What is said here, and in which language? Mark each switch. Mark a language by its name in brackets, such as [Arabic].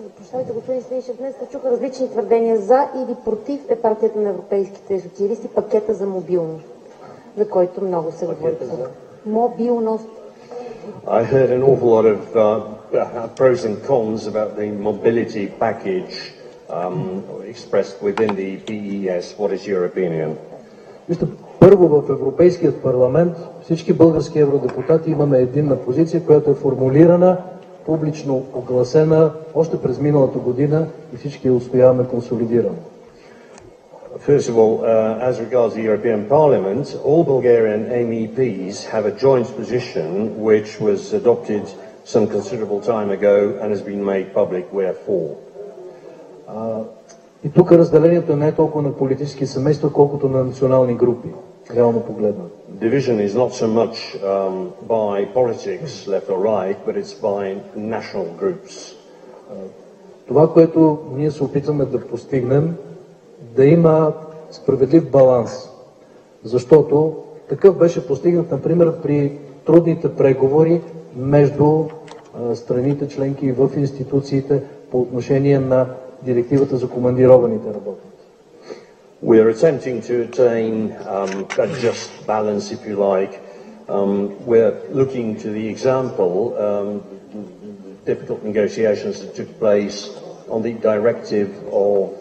[Bulgarian] Чувайте, господин Станишев, днес чуха различни твърдения за или против епархията на европейските социалисти, пакета за мобилност, за който много се говори. Мобилност. [English] I heard an awful lot of pros and cons about the mobility package expressed within the BES. What is your opinion? [Bulgarian] Първо, в Европейският парламент всички български евродепутати имаме единна позиция, която е формулирана, публично огласена още през миналата година и всички я устояваме консолидирано. [English] First of all, as regards the European Parliament, all Bulgarian MEPs have a joint position which was adopted some considerable time ago and has been made public. Wherefore? [Bulgarian] И тук разделението не е толкова на политически семейства, колкото на национални групи. Реално погледнато. [English] Division is not so much by politics, left or right, but it's by national groups. [Bulgarian] Това, което ние се опитваме да постигнем, да има справедлив баланс. Защото такъв беше постигнат, например, при трудните преговори между страните членки и в институциите по отношение на директивата за командированите работници. [English] We are attempting to attain a just balance, if you like. We're looking to the example, difficult negotiations that took place on the directive of